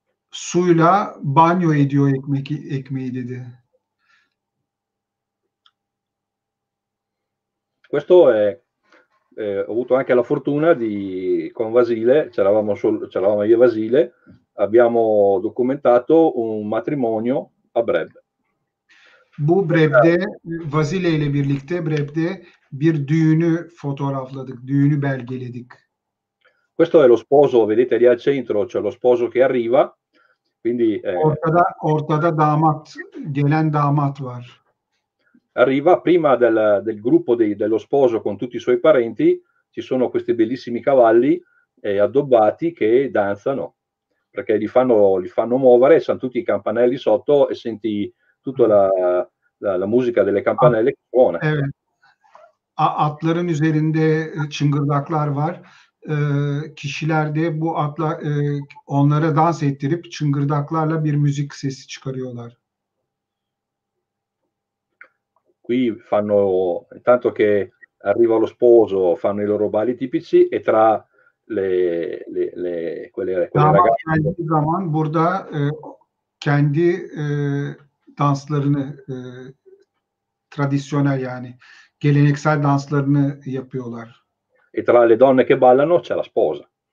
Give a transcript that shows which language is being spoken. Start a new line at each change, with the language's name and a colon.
Turkish: Suyla banyo ediyor ekmeği dedi.
Italian: Questo è ho avuto anche la fortuna di con Vasile, c'eravamo io e Vasile, abbiamo documentato un matrimonio a Breb.
Turkish: Bu Breb'de Vasile ile birlikte Breb'de bir düğünü fotoğrafladık, düğünü belgeledik.
Italian: Questo è lo sposo, vedete lì al centro, c'è lo sposo che arriva. Quindi
Turkish: ortada damat, gelen damat var.
Italian: Arriva prima del gruppo dello sposo con tutti i suoi parenti, ci sono questi bellissimi cavalli addobbati che danzano, perché li fanno muovere, sono tutti i campanelli sotto e senti tutta la musica delle campanelle che suona.
Turkish: Atların üzerinde çıngırdaklar var. Kişiler de bu atla onlara dans ettirip çıngırdaklarla bir müzik sesi çıkarıyorlar.
Italian: Qui fanno intanto che arriva lo sposo, fanno i loro balli tipici e tra le quelle ragazze.
Turkish: Geldiği zaman burada kendi danslarını tradisyonel yani geleneksel danslarını yapıyorlar.
Italian: E tra le donne che ballano c'è la sposa.